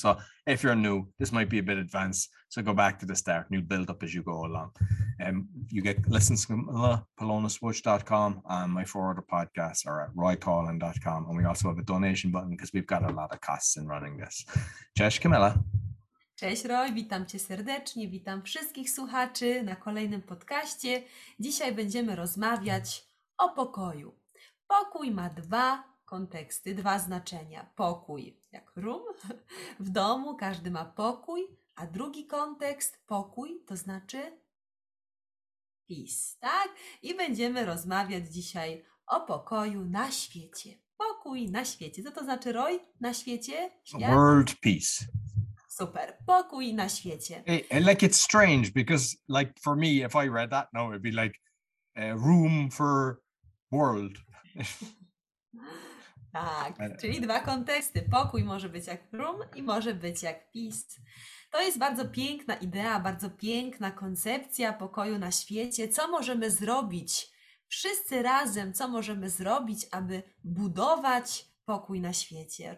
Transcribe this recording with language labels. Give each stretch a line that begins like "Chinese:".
English: So if you're new, this might be a bit advanced. So go back to the start and you build up as you go along. You get listens from polonaswitch.com and my four other podcasts are at roycolin.com. And we also have a donation button because we've got a lot of costs in running this.
Polish: Cześć, Kamila. Cześć Roy, witam Cię serdecznie, witam wszystkich słuchaczy na kolejnym podcaście. Dzisiaj będziemy rozmawiać o pokoju. Pokój ma dwa konteksty, dwa znaczenia. Pokój, jak room, w domu każdy ma pokój, a drugi kontekst, pokój, to znaczy peace, tak? I będziemy rozmawiać dzisiaj o pokoju na świecie. Pokój na świecie, co to znaczy Roy, na świecie? Świat?
English: World peace.
Polish: Super. Pokój na świecie.
English: Hey, like it's strange because like for me, if I read that now, it'd be like a room for world.
Polish: Tak, czyli dwa konteksty. Pokój może być jak room i może być jak peace. To jest bardzo piękna idea, bardzo piękna koncepcja pokoju na świecie. Co możemy zrobić wszyscy razem, co możemy zrobić, aby budować pokój na świecie.